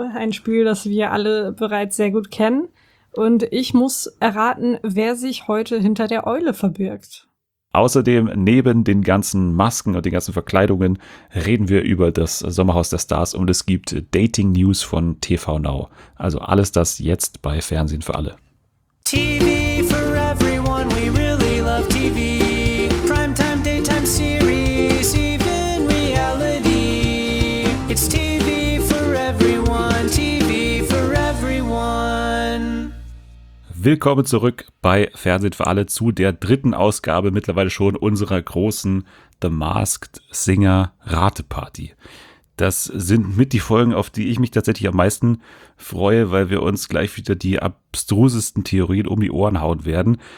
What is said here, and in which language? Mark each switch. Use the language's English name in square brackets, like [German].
[German] Ein Spiel, das wir alle bereits sehr gut kennen. Und ich muss erraten, wer sich heute hinter der Eule verbirgt. Außerdem, neben den ganzen Masken und den ganzen Verkleidungen, reden wir über das Sommerhaus der Stars und es gibt Dating News von TV Now. Also alles das jetzt bei Fernsehen für alle. [English] TV for everyone, we really love TV. Primetime, daytime series, even reality. It's TV for everyone, TV for everyone. [German] Willkommen zurück bei Fernsehen für alle zu der dritten Ausgabe mittlerweile schon unserer großen The Masked Singer Rateparty. Das sind mit die Folgen, auf die ich mich tatsächlich am meisten freue, weil wir uns gleich wieder die abstrusesten Theorien um die Ohren hauen werden.